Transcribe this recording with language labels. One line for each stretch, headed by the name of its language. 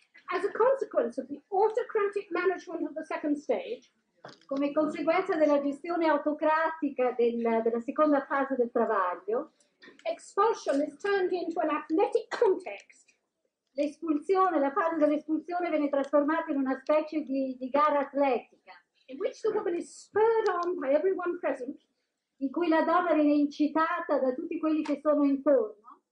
English: As a consequence of the autocratic management of the second stage,
Italian: come conseguenza della gestione autocratica della seconda fase del travaglio,
English: expulsion is turned into an apnetic context.
Italian: L'espulsione, la fase dell'espulsione viene trasformata in una specie di gara atletica,
English: in which the woman is spurred on by everyone present,
Italian: in cui la donna viene incitata da tutti quelli che sono intorno.